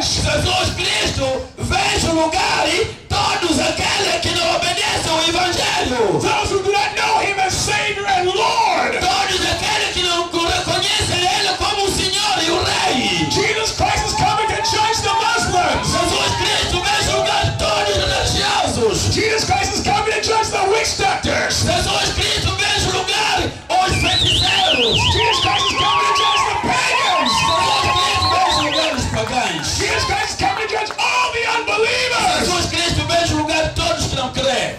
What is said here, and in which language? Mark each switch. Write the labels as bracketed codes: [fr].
[pt] Jesus Cristo vem julgar todos aqueles que não obedecem ao evangelho. [en] Those who do not know him as Savior and Lord. [pt] Todos aqueles que não reconhecem ele como o Senhor e o Rei. [en] Jesus Christ is coming to judge the Muslims. [pt] Jesus Cristo vem julgar todos os religiosos. [en] Jesus Christ is coming to judge the witch doctors. [pt] Jesus Cristo vem julgar os feiticeiros. [en] Jesus Christ is coming to judge the pagans. Jesus Christ is coming to judge all the unbelievers. [pt] Jesus Cristo vem julgar todos que não creem.